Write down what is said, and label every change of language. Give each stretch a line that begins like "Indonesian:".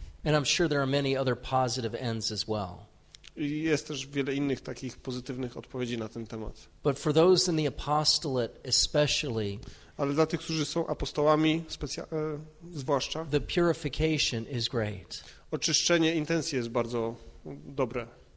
English: And I'm sure there are many other positive ends as well.
Polish: I jest też wiele innych takich pozytywnych odpowiedzi na ten temat.
English: But for those in the apostolate especially,
Polish: ale dla tych, którzy są apostołami zwłaszcza,
English: the purification is great.
Polish: Oczyszczenie intencji jest bardzo dobre.